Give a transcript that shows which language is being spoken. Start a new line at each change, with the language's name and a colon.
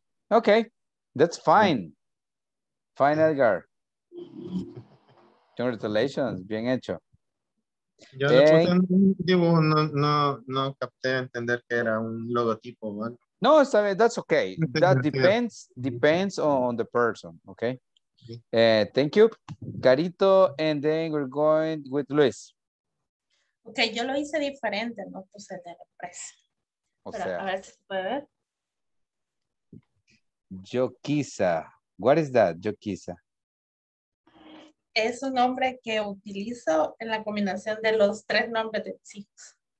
English: Okay, that's fine. Fine, Edgar. Congratulations,
Spanish: bien hecho. Yo le puse un dibujo, no capté entender que era un logotipo, ¿no?
English: No, sabe, that's okay. That depends on the person, okay? Thank you, Carito, and then we're going with Luis.
Spanish: Ok, yo lo hice diferente, no puse de la empresa. O sea, a ver si se puede ver.
English: Yoquisa. What is that, Yoquisa?
Spanish: Es un nombre que utilizo en la combinación de los tres nombres de mis hijos.